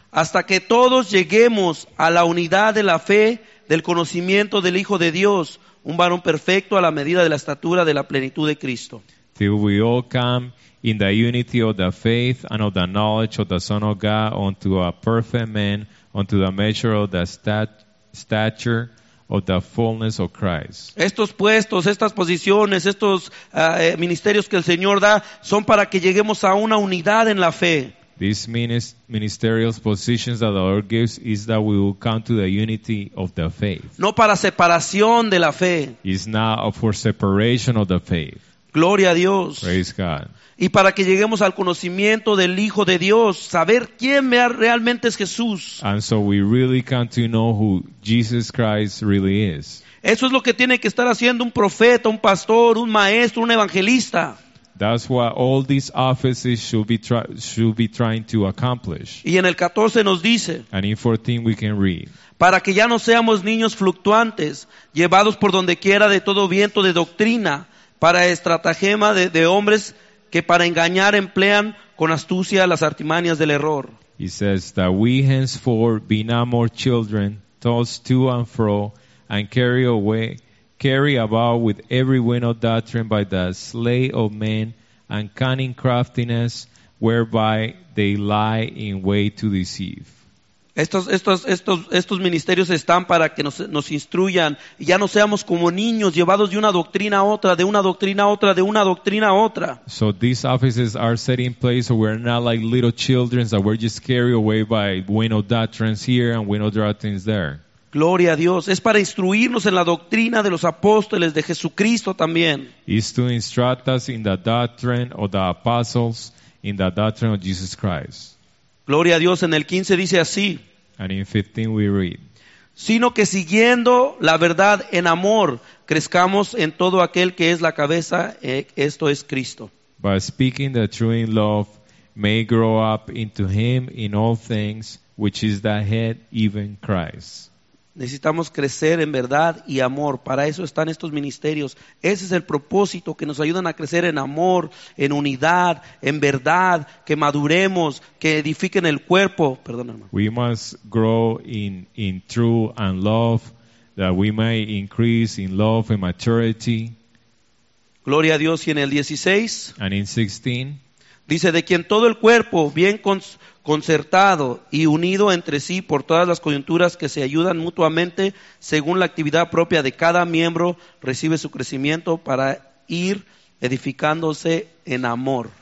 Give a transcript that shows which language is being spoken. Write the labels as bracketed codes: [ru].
[es] Hasta que todos lleguemos a la unidad de la fe, del conocimiento del Hijo de Dios, un varón perfecto a la medida de la estatura de la plenitud de Cristo. [en] Till we all come in the unity of the faith and of the knowledge of the Son of God unto a perfect man, unto the measure of the stature of the fullness of Christ. [es] Estos puestos, estas posiciones, estos ministerios que el Señor da son para que lleguemos a una unidad en la fe. [en] These ministerial positions that the Lord gives is that we will come to the unity of the faith. [es] No para separación de la fe. [en] It's not for separation of the faith. [es] Gloria a Dios. [en] Praise God. [es] Y para que lleguemos al conocimiento del Hijo de Dios, saber quién realmente es Jesús. [en] And so we really come to know who Jesus Christ really is. [es] Eso es lo que tiene que estar haciendo un profeta, un pastor, un maestro, un evangelista. [en] That's what all these offices should be trying to accomplish. [es] Y en el 14 nos dice. [en] And in 14 we can read. [es] Para que ya no seamos niños fluctuantes, llevados por donde quiera de todo viento de doctrina, para estratagema de hombres que para engañar emplean con astucia las artimañas del error. [en] He says that we henceforth be not more children, tossed to and fro, and carry about with every wind of doctrine by the sleight of men and cunning craftiness, whereby they lie in wait to deceive. [es] Estos ministerios están para que nos instruyan, y ya no seamos como niños llevados de una doctrina a otra, de una doctrina a otra, de una doctrina a otra. [en] So these offices are set in place so we're not like little children that we're just carried away by wind of doctrines here and wind of doctrines there. [es] Gloria a Dios. Es para instruirnos en la doctrina de los apóstoles de Jesucristo también. [en] Is to instruct us in the doctrine of the apostles, in the doctrine of Jesus Christ. [es] Gloria a Dios. En el 15 dice así. [en] And in 15 we read. [es] Sino que siguiendo la verdad en amor, crezcamos en todo aquel que es la cabeza, esto es Cristo. [en] By speaking the truth in love, may grow up into him in all things, which is the head, even Christ. [es] Necesitamos crecer en verdad y amor. Para eso están estos ministerios. Ese es el propósito, que nos ayudan a crecer en amor, en unidad, en verdad, que maduremos, que edifiquen el cuerpo. Perdón, hermano. [en] We must grow in truth and love, that we may increase in love and maturity. [es] Gloria a Dios. Y en el 16. [en] And in 16. [es] Dice, de quien todo el cuerpo, bien concertado y unido entre sí por todas las coyunturas que se ayudan mutuamente, según la actividad propia de cada miembro, recibe su crecimiento para ir edificándose en amor.